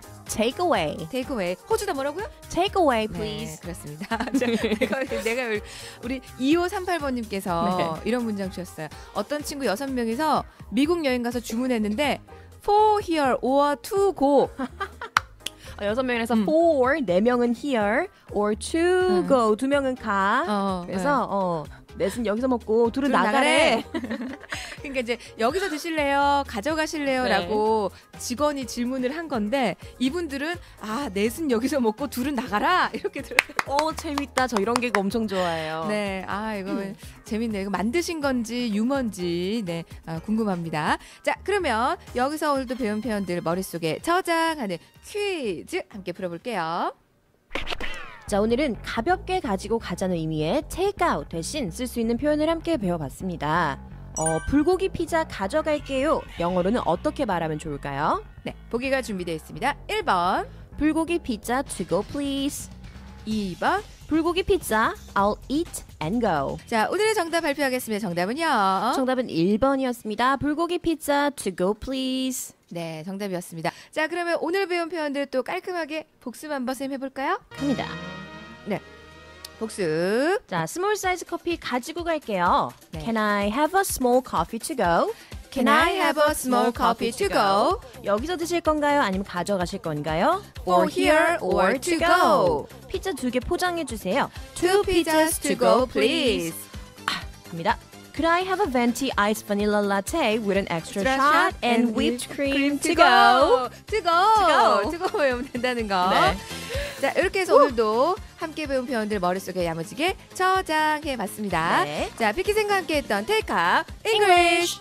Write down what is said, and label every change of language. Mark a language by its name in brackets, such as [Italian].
[English] Take away. Take away. [Korean] 호주다 뭐라고요? [English] Take away, please. [Korean] 네, 그렇습니다. 내가 우리 2538번님께서 네. 이런 문장 주셨어요. 어떤 친구 6명이서 미국 여행 가서 주문했는데 [English] for here or to go. [Korean] 6명에서 for, 4명은 here or to go. 2명은 가. 어, 그래서 네. 어, 넷은 여기서 먹고 둘은 나가래. 그러니까 이제 여기서 드실래요? 가져가실래요? 네. 라고 직원이 질문을 한 건데 이분들은 아 넷은 여기서 먹고 둘은 나가라 이렇게 들었어요. 오 재밌다. 저 이런 개그 엄청 좋아해요. 네. 아 이거 재밌네. 이거 만드신 건지 유머인지 네 아, 궁금합니다. 자 그러면 여기서 오늘도 배운 표현들 머릿속에 저장하는 퀴즈 함께 풀어볼게요. 자 오늘은 가볍게 가지고 가자는 의미의 take out 대신 쓸 수 있는 표현을 함께 배워봤습니다. 어 불고기 피자 가져갈게요. 영어로는 어떻게 말하면 좋을까요? 네, 보기가 준비되어 있습니다. 1번 [English] 불고기 피자 to go please. [Korean] 2번 [English] 불고기 피자 I'll eat and go. [Korean] 자 오늘의 정답 발표하겠습니다. 정답은요? 정답은 1번이었습니다. [English] 불고기 피자 to go please. [Korean] 네, 정답이었습니다. 자, 그러면 오늘 배운 표현들을 또 깔끔하게 복습 한번 쌤 해볼까요? 갑니다. 네, 복습. 자, 스몰 사이즈 커피 가지고 갈게요. 네. [English] Can I have a small coffee to go? Can I have a small coffee to go? [Korean] 여기서 드실 건가요? 아니면 가져가실 건가요? [English] For here or to go? [Korean] 피자 두 개 포장해 주세요. [English] Two pizzas to go, please. [Korean] 아, 갑니다. [English] Could I have a venti iced vanilla latte with an extra shot, and whipped cream to go? To go! To go! [Korean] 외우면 된다는 거. 네. 자, 이렇게 해서 오늘도 함께 배운 표현들 머릿속에 야무지게 저장해봤습니다. 네. 자, 피키쌤과 함께 했던 테이크아웃 English! English.